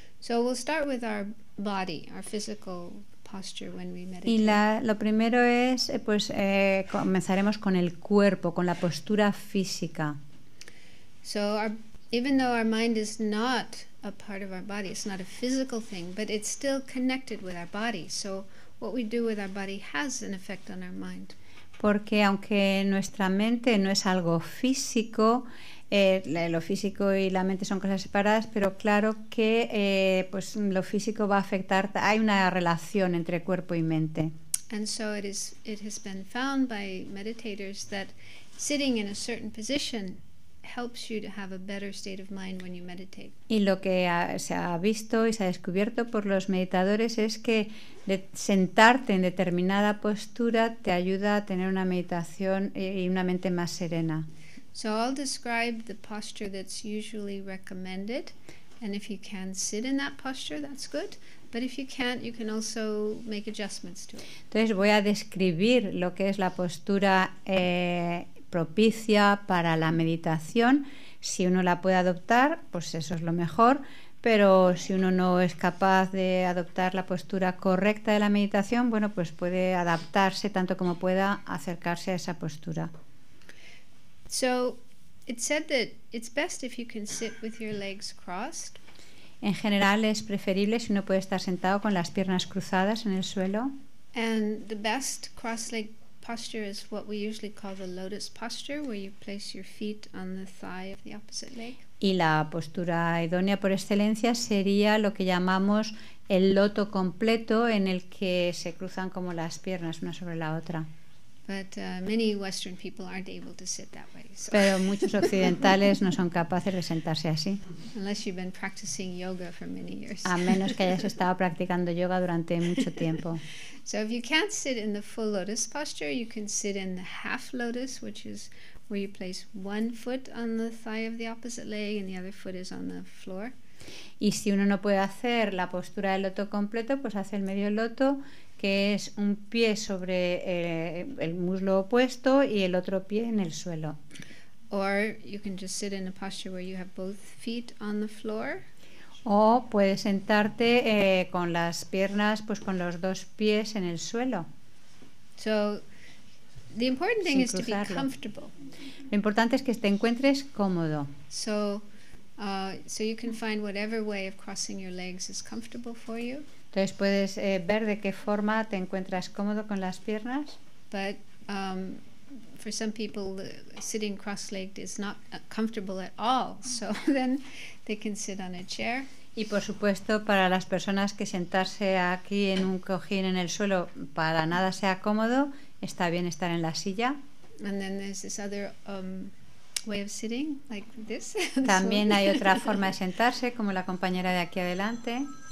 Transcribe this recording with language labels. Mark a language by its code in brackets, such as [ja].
[en] So we'll start with our body, our physical posture when we meditate. [es] Y lo primero es, pues, comenzaremos con el cuerpo, con la postura física. [en] So even though our mind is not a part of our body, it's not a physical thing, but it's still connected with our body. So what we do with our body has an effect on our mind. [es] Porque aunque nuestra mente no es algo físico, lo físico y la mente son cosas separadas, pero claro que pues lo físico va a afectar, hay una relación entre cuerpo y mente. [en] And so it has been found by meditators that sitting in a certain position helps you to have a better state of mind when you meditate. [es] Y lo que se ha visto y se ha descubierto por los meditadores es que sentarte en determinada postura te ayuda a tener una meditación y una mente más serena. [en] So I'll describe the posture that's usually recommended, and if you can sit in that posture, that's good. But if you can't, you can also make adjustments to it. [es] Entonces voy a describir lo que es la postura propicia para la meditación. Si uno la puede adoptar, pues eso es lo mejor, pero si uno no es capaz de adoptar la postura correcta de la meditación, bueno, pues puede adaptarse tanto como pueda, acercarse a esa postura. [en] So it said that it's best if you can sit with your legs crossed. [es] En general es preferible si uno puede estar sentado con las piernas cruzadas en el suelo. [en] And the best cross-legged posture is what we usually call the lotus posture, where you place your feet on the thigh of the opposite leg. [es] Y la postura idónea por excelencia sería lo que llamamos el loto completo, en el que se cruzan como las piernas una sobre la otra. [en] But many Western people aren't able to sit that way. So. [es] Pero muchos occidentales no son capaces de sentarse así. [en] Unless you've been practicing yoga for many years. [es] A menos que hayas estado practicando yoga durante mucho tiempo. [en] So if you can't sit in the full lotus posture, you can sit in the half lotus, which is where you place one foot on the thigh of the opposite leg and the other foot is on the floor. [es] Y si uno no puede hacer la postura del loto completo, pues hace el medio loto, que es un pie sobre el muslo opuesto y el otro pie en el suelo. [en] Or you can just sit in a posture where you have both feet on the floor. [es] O puedes sentarte con las piernas, pues con los dos pies en el suelo. [en] So the important thing is to be comfortable. [es] Lo importante es que te encuentres cómodo. [en] So you can find whatever way of crossing your legs is comfortable for you. [es] Entonces puedes ver de qué forma te encuentras cómodo con las piernas. [en] But for some people, sitting cross-legged is not comfortable at all. So then they can sit on a chair. [es] Y por supuesto, para las personas que sentarse aquí en un cojín en el suelo para nada sea cómodo, está bien estar en la silla. [en] And then there's this other way of sitting, like this. [es] También hay otra forma de sentarse, como la compañera de aquí adelante.